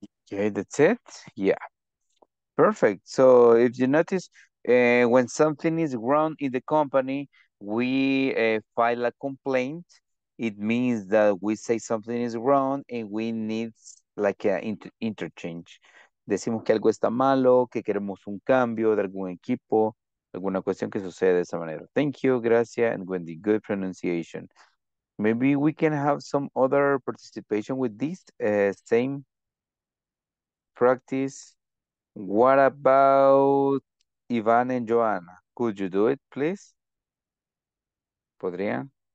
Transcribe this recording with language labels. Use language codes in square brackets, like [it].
[en] Okay, that's it. Yeah. Perfect. So if you notice, when something is wrong in the company, we file a complaint. It means that we say something is wrong and we need like an interchange. [es] Decimos que algo está malo, que queremos un cambio de algún equipo, alguna cuestión que suceda de esa manera. [en] Thank you, gracias, and Wendy, good pronunciation. Maybe we can have some other participation with this same practice. What about Ivan and Joanna? Could you do it, please? [es] ¿Podría?